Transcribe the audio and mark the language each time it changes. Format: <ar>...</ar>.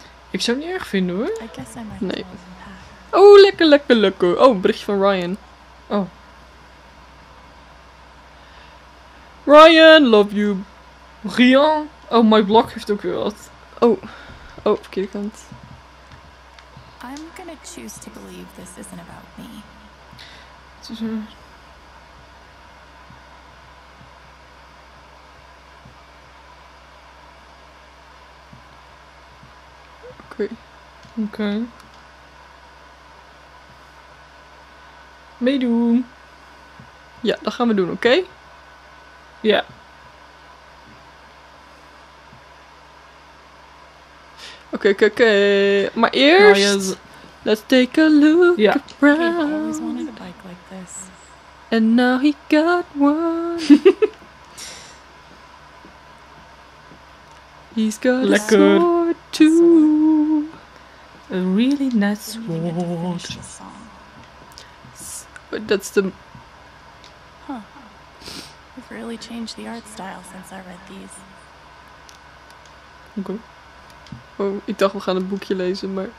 <nl>Ik zou het niet erg vinden hoor. Nee. Oh, lekker, lekker, lekker. Oh, berichtje van Ryan. Oh.</nl> <en>Ryan, love you. Rian.</en> <nl>Oh, my block heeft ook weer wat. Oh. Oh, verkeerde kant.</nl> <en>I'm gonna choose to believe this isn't about me.</en> <nl>Oké. Meedoen. Ja, dat gaan we doen, oké? Ja. Oké. Maar eerst... Nou, yes.</nl> <en>Let's take a look, yeah, around. I always wanted a bike like this. And now he got one. He's got lekker. A sword too. A really nice sword. But that's the... Huh. We've really changed the art style since I read these.</en> <nl>Oké. Oh, ik dacht we gaan een boekje lezen, maar...</nl>